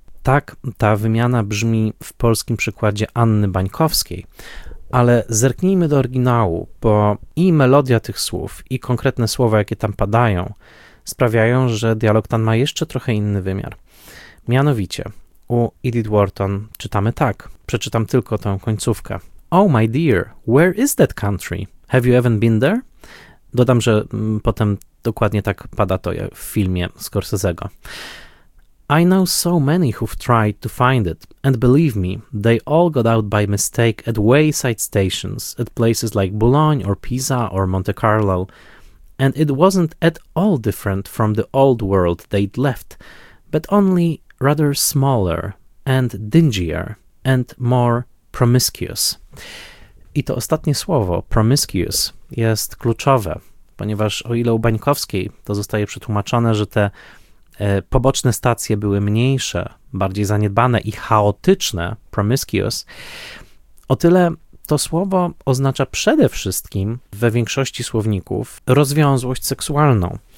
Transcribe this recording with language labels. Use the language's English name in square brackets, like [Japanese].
[Polish] Tak ta wymiana brzmi w polskim przykładzie Anny Bańkowskiej, ale zerknijmy do oryginału, bo i melodia tych słów, i konkretne słowa, jakie tam padają, sprawiają, że dialog ten ma jeszcze trochę inny wymiar. Mianowicie, u Edith Wharton czytamy tak, przeczytam tylko tę końcówkę. [English] Oh my dear, where is that country? Have you even been there? [Polish] Dodam, że potem dokładnie tak pada to w filmie Scorsese'ego. [English] I know so many who've tried to find it, and believe me, they all got out by mistake at wayside stations, at places like Boulogne or Pisa or Monte Carlo, and it wasn't at all different from the old world they'd left, but only rather smaller and dingier and more promiscuous. [Polish] I to ostatnie słowo, promiscuous, jest kluczowe, ponieważ o ile u Bańkowskiej to zostaje przetłumaczone, że te poboczne stacje były mniejsze, bardziej zaniedbane i chaotyczne, promiscuous, o tyle to słowo oznacza przede wszystkim we większości słowników rozwiązłość seksualną.